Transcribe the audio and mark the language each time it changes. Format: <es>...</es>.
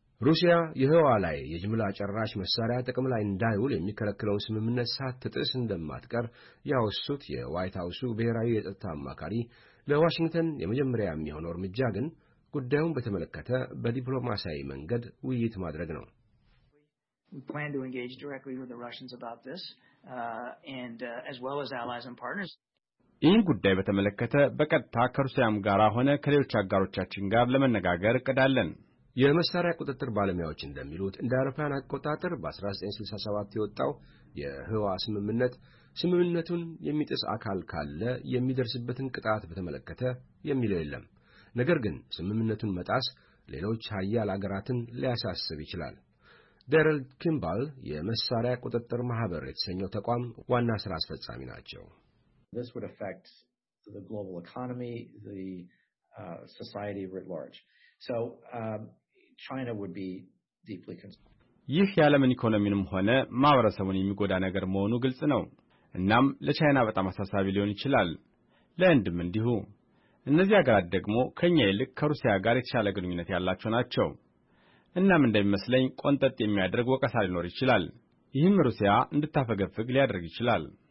<am>ሩሲያ የህዋ ላይ የጅምላ ጨራሽ መሳሪያ ጥቅም ላይ እንዳይውል የሚከለክለውን ስምምነት ሳትጥስ እንደማትቀር ያወሱት የዋይት ሃውሱ ብሔራዊ የጸጥታ አማካሪ ለዋሽንግተን የመጀመሪያ የሚሆነው እርምጃ ግን ጉዳዩን በተመለከተ በዲፕሎማሲያዊ መንገድ ውይይት ማድረግ ነው።</am> <en>We plan to engage directly with the Russians about this as well as allies and partners.</en> <am>ይህን ጉዳይ በተመለከተ በቀጥታ ከሩሲያም ጋር ሆነ ከሌሎች አጋሮቻችን ጋር ለመነጋገር እቅዳለን። የመሳሪያ ቁጥጥር ባለሙያዎች እንደሚሉት እንደ አውሮፓውያን አቆጣጠር በ1967 የወጣው የህዋ ስምምነቱን የሚጥስ አካል ካለ የሚደርስበትን ቅጣት በተመለከተ የሚለው የለም። ነገር ግን ስምምነቱን መጣስ ሌሎች ሀያል አገራትን ሊያሳስብ ይችላል። ዳረል ኪምባል የመሳሪያ ቁጥጥር ማህበር የተሰኘው ተቋም ዋና ስራ አስፈጻሚ ናቸው።</am> <en>This would affect the global economy, the society writ large. So China would be deeply concerned.</en> <am>ይህ የዓለምን ኢኮኖሚንም ሆነ ማህበረሰቡን የሚጎዳ ነገር መሆኑ ግልጽ ነው። እናም ለቻይና በጣም አሳሳቢ ሊሆን ይችላል። ለእንድም እንዲሁ እነዚህ ሀገራት ደግሞ ከኛ ይልቅ ከሩሲያ ጋር የተሻለ ግንኙነት ያላቸው ናቸው። እናም እንደሚመስለኝ ቆንጠጥ የሚያደርግ ወቀሳ ሊኖር ይችላል። ይህም ሩሲያ እንድታፈገፍግ ሊያደርግ ይችላል።</am>